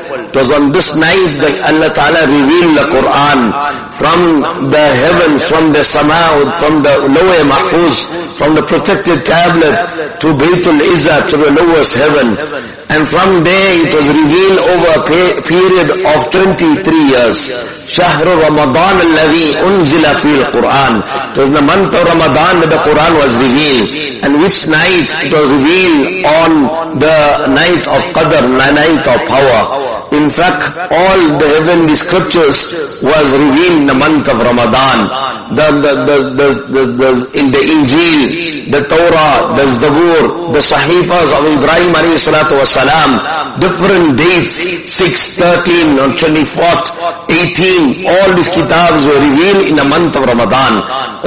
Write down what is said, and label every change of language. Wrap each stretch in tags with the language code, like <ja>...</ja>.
<en>It was on this night that Allah Ta'ala revealed the Quran from the heavens, from the Sama'ud, from the lower Mahfuz, from the protected tablet to Baytul Izzah, to the lowest heaven. And from there it was revealed over a period of 23 years.</en> <ar>شهر رمضان الذي أنزل في القرآن.</ar> <en>It was the month of Ramadan that the Quran was revealed. And which night it was revealed? On the night of Qadr, the night of power. In fact, all the heavenly scriptures was revealed in the month of Ramadan. In the Injil, the Torah, the Zabur, the Sahifas of Ibrahim alayhi salatu wasalam, different dates, 6, 13, on 24th, 18, all these kitabs were revealed in the month of Ramadan.</en>